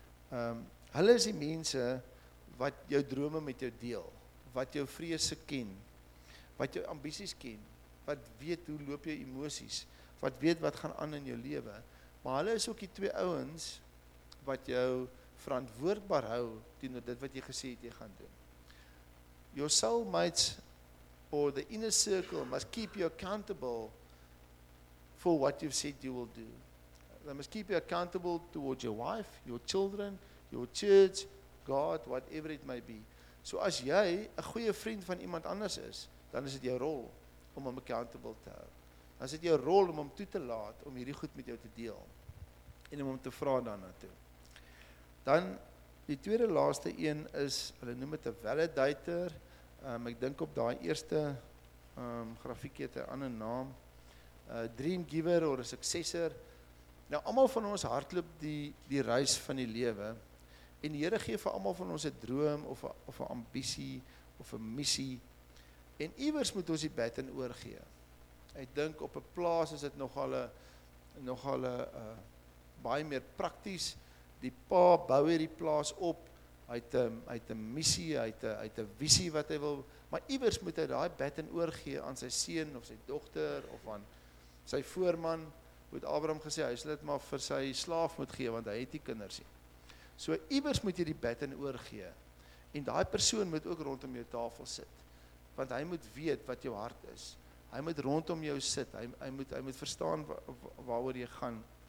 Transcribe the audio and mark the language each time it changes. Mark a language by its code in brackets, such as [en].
[af] Hulle is die mense wat jou drome met jou deel, wat jou vrese ken, wat jou ambisies ken, wat weet hoe loop jou emosies, wat weet wat gaan aan in jou lewe. Maar hulle is ook die 2 ouens wat jou verantwoordbaar hou teenoor dit wat jy gesê het jy gaan doen. [en] Your soulmates or the inner circle must keep you accountable for what you've said you will do. They must keep you accountable towards your wife, your children, your church, God, whatever it may be. [af] So as jy 'n goeie vriend van iemand anders is, dan is dit jou rol om hom accountable te hou. Dan is dit jou rol om hom toe te laat om hierdie goed met jou te deel en om hom te vra daarna toe. Dan die tweede laaste een is, hulle noem dit 'n validator. Ek dink op daai eerste grafiekie het 'n ander naam. 'n Dream giver of 'n successor. Nou almal van ons hardloop die reis van die lewe. En die Here gee vir almal van ons 'n droom of 'n ambisie of 'n missie. En iewers moet ons die baton oorgee. Ek dink op 'n plaas is dit nogal 'n baie meer prakties. Die pa bou hierdie plaas op. Hy het 'n missie, hy het 'n visie wat hy wil, maar iewers moet hy daai baton oorgee aan sy seun of sy dogter of aan sy voorman. Moet Abraham gesê hy sal dit maar vir sy slaaf moet gee want hy het nie kinders nie. So iewers moet jy die baton oorgee. En daai persoon moet ook rondom jou tafel sit. Want hy moet weet wat jou hart is. Hy moet rondom jou sit. Hy moet verstaan waaroor jy gaan.